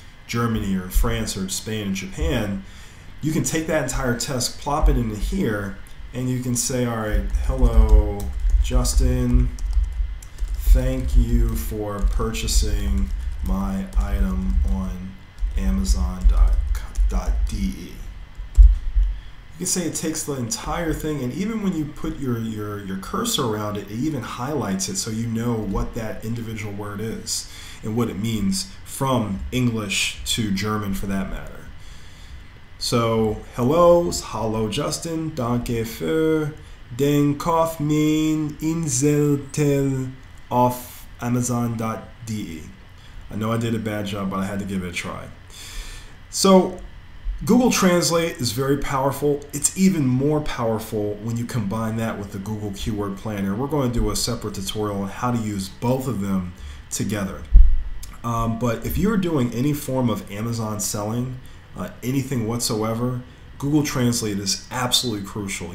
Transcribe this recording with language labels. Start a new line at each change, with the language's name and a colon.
English: Germany or France or Spain and Japan, you can take that entire test, plop it into here, and you can say, all right, hello, Justin, thank you for purchasing my item on Amazon.de. You can say it takes the entire thing, and even when you put your cursor around it, it even highlights it so you know what that individual word is and what it means from English to German for that matter. So, hello,
German: Justin, danke für den Kauf mein Inseltel auf Amazon.de.
English: I know I did a bad job, but I had to give it a try. So, Google Translate is very powerful. It's even more powerful when you combine that with the Google Keyword Planner. We're going to do a separate tutorial on how to use both of them together. But if you're doing any form of Amazon selling, anything whatsoever, Google Translate is absolutely crucial.